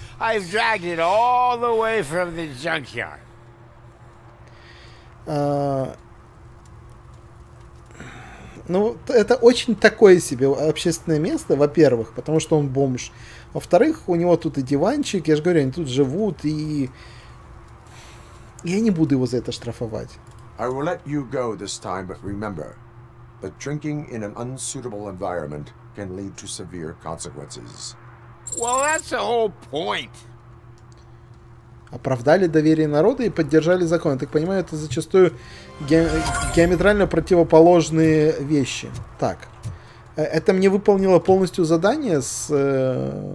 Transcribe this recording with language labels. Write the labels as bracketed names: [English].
[English] I've dragged it all the way from the junkyard. [Russian] Ну, это очень такое себе общественное место, во-первых, потому что он бомж. Во-вторых, у него тут и диванчик, я же говорю, они тут живут, и... Я не буду его за это штрафовать. [English] I will let you go this time, but remember that drinking in an unsuitable environment can lead to severe consequences. Well, that's the whole point. [Russian] Оправдали доверие народа и поддержали закон. Я так понимаю, это зачастую геометрально противоположные вещи. Так, это мне выполнило полностью задание с...